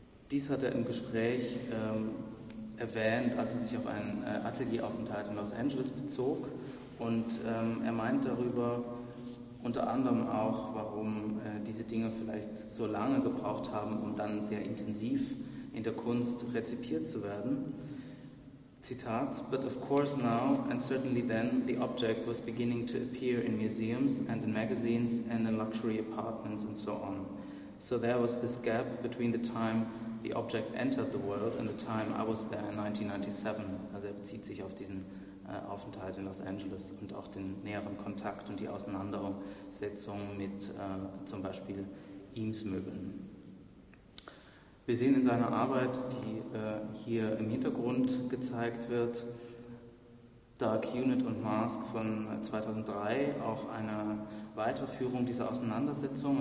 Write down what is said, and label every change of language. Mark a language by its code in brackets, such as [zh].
[de] Dies hat er im Gespräch erwähnt, als er sich auf einen Atelieraufenthalt in Los Angeles bezog. Und er meint darüber unter anderem auch, warum diese Dinge vielleicht so lange gebraucht haben, um dann sehr intensiv in der Kunst rezipiert zu werden. [en] Zitat, but of course now and certainly then the object was beginning to appear in museums and in magazines and in luxury apartments and so on. So there was this gap between the time the object entered the world and the time I was there in 1997. [de] Also er bezieht sich auf diesen Aufenthalt in Los Angeles und auch den näheren Kontakt und die Auseinandersetzung mit zum Beispiel Eames-Möbeln. Wir sehen in seiner Arbeit, die hier im Hintergrund gezeigt wird, Dark Unit und Mask von 2003, auch eine Weiterführung dieser Auseinandersetzung.